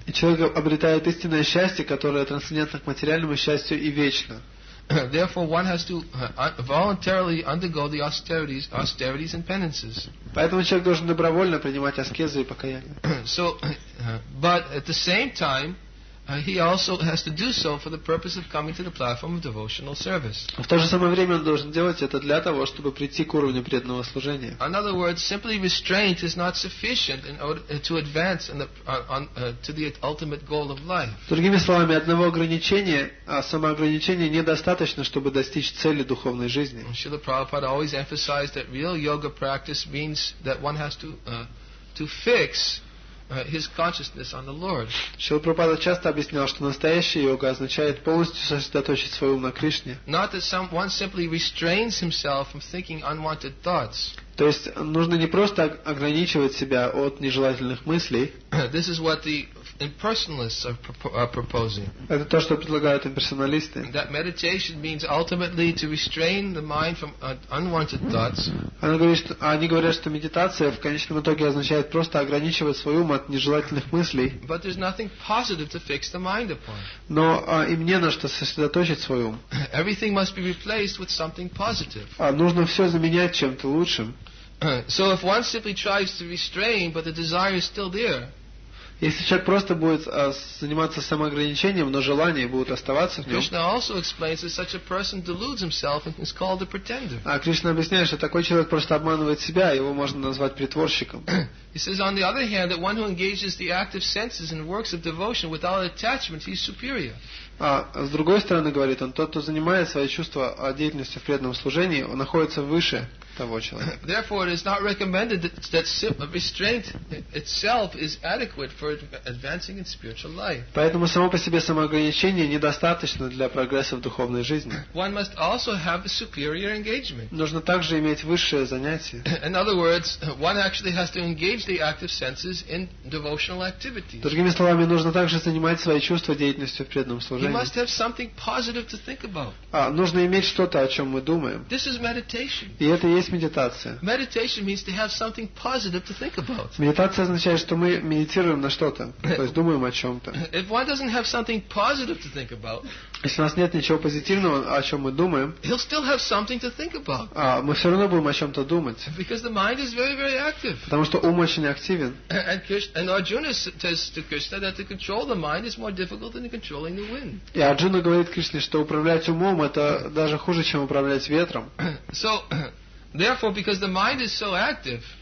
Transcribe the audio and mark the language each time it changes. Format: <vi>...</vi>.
<ru>И человек обретает истинное счастье, которое трансцендентно к материальному счастью и вечно.</ru> <en>Therefore, one has to voluntarily undergo the austerities and penances.</en> <ru>Поэтому человек должен добровольно принимать аскезы и покаяние.</ru> <en>So, but at the same time, he also has to do so for the purpose of coming to the platform of devotional service.</en> <ru>В то же самое время он должен делать это для того, чтобы прийти к уровню преданного служения.</ru> <en>In other words, simply restraint is not sufficient in order to advance to the ultimate goal of life.</en> <ru>Другими словами, одного ограничения, самоограничения недостаточно, чтобы достичь цели духовной жизни.</ru> <en>Srila Prabhupada always emphasized that real yoga practice means that one has to fix his consciousness on the Lord.</en> <ru>Шрила Прабхупада часто объяснял, что настоящая йога означает полностью сосредоточить свой ум на Кришне.</ru> <en>Not that one simply restrains himself from thinking unwanted thoughts.</en> <ru>То есть нужно не просто ограничивать себя от нежелательных мыслей.</ru> <en>This is what the impersonalists are proposing.</en> <ru>Это то, что предлагают имперсоналисты.</ru> <en>That meditation means ultimately to restrain the mind from unwanted thoughts.</en> <ru>Они говорят, что медитация в конечном итоге означает просто ограничивать свой ум от нежелательных мыслей.</ru> <en>But there's nothing positive to fix the mind upon.</en> <ru>Но им не на что сосредоточить свой ум.</ru> <en>Everything must be replaced with something positive.</en> <ru>Нужно все заменять чем-то лучшим.</ru> <en>So if one simply tries to restrain, but the desire is still there.</en> <ru>Если человек просто будет заниматься самоограничением, но желания будут оставаться в нем.</ru> <en>Krishna also explains that such a person deludes himself and is called a pretender.</en> <ru>А Кришна объясняет, что такой человек просто обманывает себя, его можно назвать притворщиком.</ru> <en>He says, on the other hand, that one who engages the active senses in works of devotion without attachment, he is superior.</en> <ru>А с другой стороны, говорит он, тот, кто занимает свои чувства деятельностью в преданном служении, он находится выше того человека.</ru> <en>Therefore, it is not recommended that restraint itself is adequate for advancing in spiritual life.</en> <ru>Поэтому само по себе самоограничение недостаточно для прогресса в духовной жизни.</ru> <en>One must also have a superior engagement.</en> <ru>Нужно также иметь высшее занятие.</ru> <en>In other words, one actually has to engage the active senses in devotional activities.</en> <ru>Другими словами, нужно также занимать свои чувства деятельностью в преданном служении.</ru> <en>You must have something positive to think about.</en> <ru>Нужно иметь что-то, о чем мы думаем.</ru> <en>This is meditation.</en> <ru>И это и есть медитация.</ru> <en>Meditation means to have something positive to think about.</en> <ru>Медитация означает, что мы медитируем на что-то, то есть думаем о чем-то.</ru> <en>If one doesn't have something positive to think about,</en> <ru>если у нас нет ничего позитивного, о чем мы думаем,</ru> <en>he'll still have something to think about.</en> <ru>Мы все равно будем о чем-то думать.</ru> <en>Because the mind is very, very active.</en> <ru>Потому что ум очень активен.</ru> <en>And Arjuna says to Krishna that to control the mind is more difficult than controlling the wind.</en> <ru>И Арджуна говорит Кришне, что управлять умом это даже хуже, чем управлять ветром.</ru> <en>So, therefore, because the mind is so active.</en>